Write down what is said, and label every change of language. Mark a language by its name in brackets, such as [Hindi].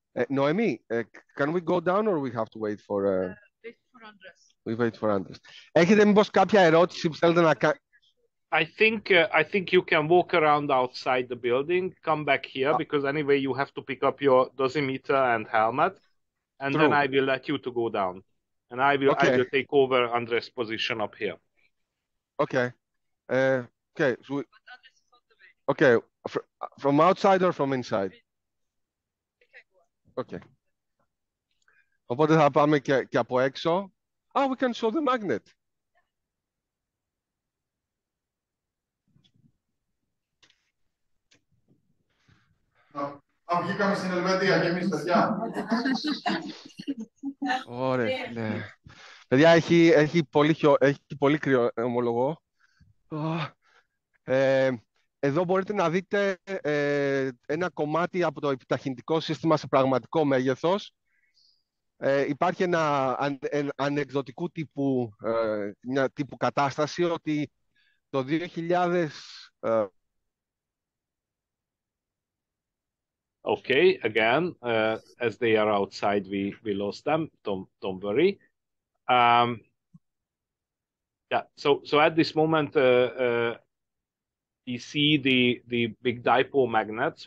[English] Noemi, can we go down or we have to wait for... Wait for Andres. [Greek] Έχετε μήπως κάποια ερώτηση που θέλετε να κάνετε? [English] I think you can walk around outside the building, come back here, because anyway you have to pick up your dosimeter and helmet, and true. Then I will let you to go down. And okay. I will take over Andres' position up here. Okay. Okay. So we, but Andres is on the way. Okay. From outside or from inside? Okay. [Greek] Οπότε θα πάμε και από έξω. [English] Oh, we can show the magnet. [Greek] Βγήκαμε στην Ελβετία και εμείς, παιδιά. Ωραία, φίλε. Παιδιά, έχει πολύ, πολύ κρύο, ομολογώ. Εδώ μπορείτε να δείτε ένα κομμάτι από το επιταχυντικό σύστημα σε πραγματικό μέγεθος. Υπάρχει ένα ανεκδοτικού τύπου, μια τύπου κατάσταση, ότι το 2000... [English] Okay, again, as they are outside, we lost them. Don't worry. So at this moment, you see the big dipole magnets.